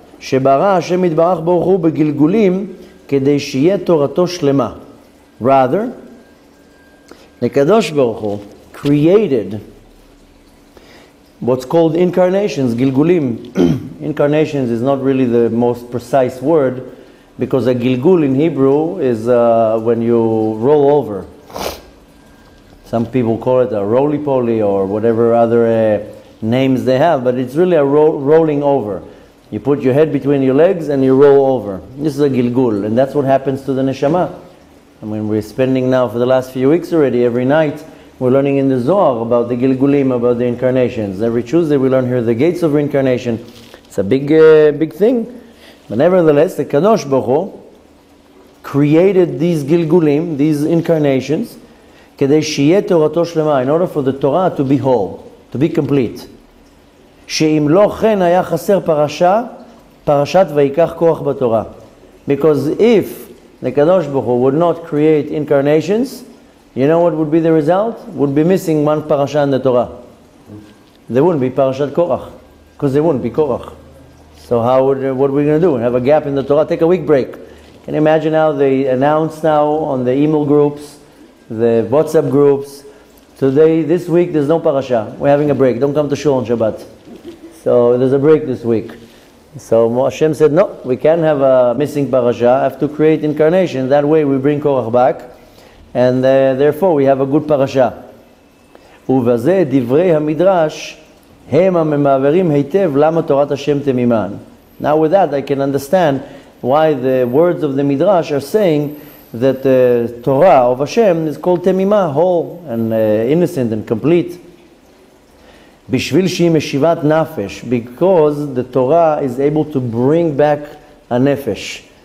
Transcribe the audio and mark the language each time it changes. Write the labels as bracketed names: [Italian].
[Hebrew] שברא השם יתברך ברוך הוא בגלגולים כדי שיהיה תורתו שלמה. [English] Rather, [Hebrew] לקדוש ברוך הוא [English] created what's called incarnations, גלגולים. Incarnations is not really the most precise word, because a gilgul in Hebrew is when you roll over. Some people call it a roly-poly or whatever other names they have, but it's really a rolling over. You put your head between your legs and you roll over. This is a gilgul, and that's what happens to the neshama. I mean, we're spending now for the last few weeks already, every night, we're learning in the Zohar about the gilgulim, about the incarnations. Every Tuesday we learn here the gates of reincarnation. It's a big, big thing. But nevertheless, the Kadosh Baruch Hu created these gilgulim, these incarnations, [Hebrew] כדי שיהיה תורתו שלמה, [English] in order for the Torah to be whole, to be complete. [Hebrew] שאם לא כן היה חסר פרשה, פרשת ויקח כוח בתורה. [English] Because if the Kadosh Baruch Hu would not create incarnations, you know what would be the result? Would be missing one parasha in the Torah. There wouldn't be parashat Korach, because there wouldn't be Korach. So how would what are we going to do? Have a gap in the Torah? Take a week break. Can you imagine how they announce now on the email groups, the WhatsApp groups, today, this week, there's no parasha. We're having a break. Don't come to shul on Shabbat. So there's a break this week. So Hashem said, no, we can't have a missing parasha. I have to create incarnation. That way we bring Korach back. And therefore we have a good parasha. [Hebrew] ובזה דברי המדרש הם הממעברים היטב למה תורת השם תמימן. [English] Now with that I can understand why the words of the Midrash are saying that the Torah of Hashem is called temima, whole and innocent and complete. [Hebrew] בשביל שהיא משיבת נפש, [English] because the Torah is able to bring back a nefesh.